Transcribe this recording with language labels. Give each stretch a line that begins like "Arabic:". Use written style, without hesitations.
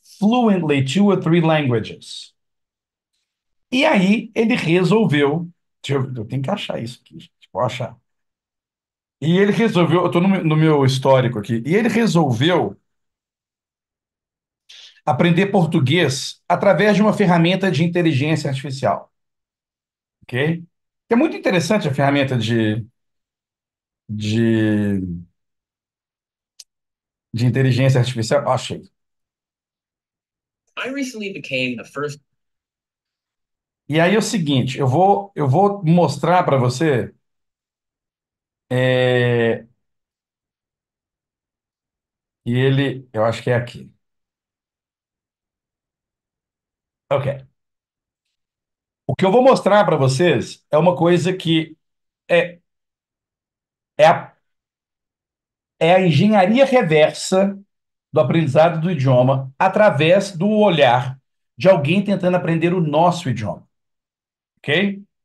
English: fluently two or three languages.
Portuguese: E aí ele resolveu. Deixa eu tenho que achar isso aqui, gente. Vou achar. E ele resolveu. Eu estou no meu histórico aqui. E ele resolveu aprender português através de uma ferramenta de inteligência artificial. Ok? É muito interessante a ferramenta de inteligência artificial. Achei.
English: I recently became the first.
Portuguese: E aí é o seguinte, eu vou mostrar para você. E ele, eu acho que é aqui. Ok. O que eu vou mostrar para vocês é uma coisa que é a engenharia reversa do aprendizado do idioma através do olhar de alguém tentando aprender o nosso idioma. Ok?